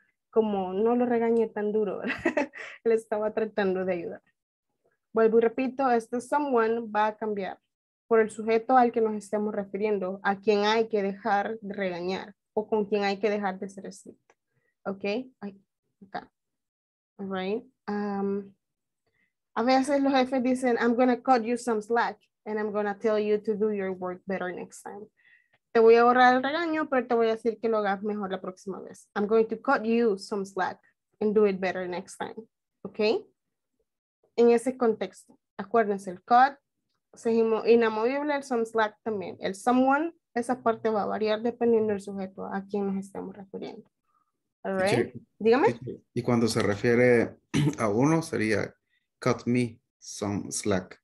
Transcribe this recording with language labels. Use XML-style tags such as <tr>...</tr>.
<es>Como no lo regañe tan duro, él estaba tratando de ayudar. Vuelvo y repito, este someone va a cambiar. Por el sujeto al que nos estemos refiriendo, a quien hay que dejar de regañar o con quien hay que dejar de ser estricto. Okay?</es> <en>Okay. All right.</en> <es>A veces los jefes dicen,</es> <en>I'm going to cut you some slack and I'm going to tell you to do your work better next time.</en> <es>Te voy a ahorrar el regaño, pero te voy a decir que lo hagas mejor la próxima vez.</es> <en>I'm going to cut you some slack and do it better next time. Okay?</en> <es>En ese contexto, acuérdense, el cut, seguimos inamovible, el some slack también. El someone, esa parte va a variar dependiendo del sujeto a quien nos estamos refiriendo. All right? Teacher, dígame. Teacher, y cuando se refiere a uno, sería cut me some slack.</es>